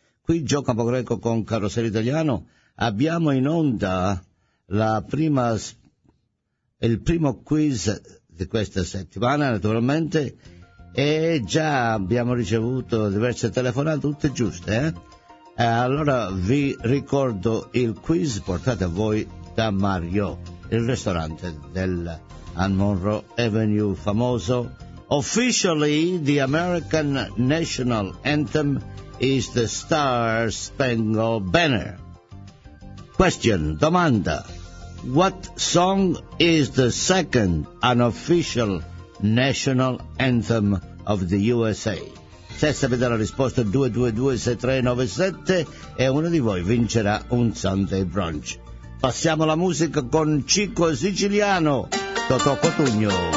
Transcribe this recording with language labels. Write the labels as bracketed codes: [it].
[it] Qui Gio Capogreco con Carosello Italiano, abbiamo in onda il primo quiz di questa settimana naturalmente, e già abbiamo ricevuto diverse telefonate, tutte giuste, allora vi ricordo il quiz portato a voi da Mario, il ristorante del and Monroe Avenue, famoso. [en] Officially, the American national anthem is the Star Spangled Banner. Question, [it] domanda. [en] What song is the second unofficial national anthem of the USA? [it] Se sapete la risposta 222-6397 e uno di voi vincerà un Sunday Brunch. Passiamo alla musica con Chico Siciliano, Totò Cotugno.